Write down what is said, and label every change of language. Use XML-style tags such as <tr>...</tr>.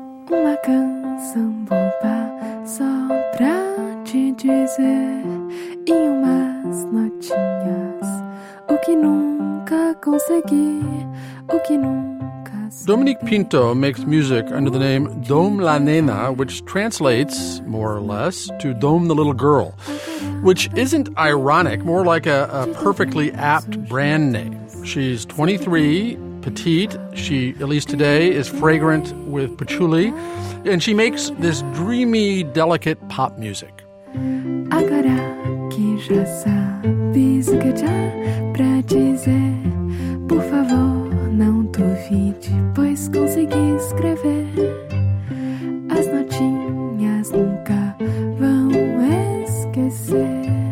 <pt>uma canção boba só pra te dizer, em umas notinhas, o que nunca consegui, o que nunca sabia.</pt> <en>Dominique Pinto makes music under the name Dom La Nena, which translates, more or less, to Dom the Little Girl, which isn't ironic, more like a perfectly apt brand name. She's 23, petite. She, at least today, is fragrant with patchouli. And she makes this dreamy, delicate pop music.</en> <pt>Agora que já sabes o que já pra dizer, por favor, não duvide, pois consegui escrever. As notinhas nunca vão esquecer.</pt>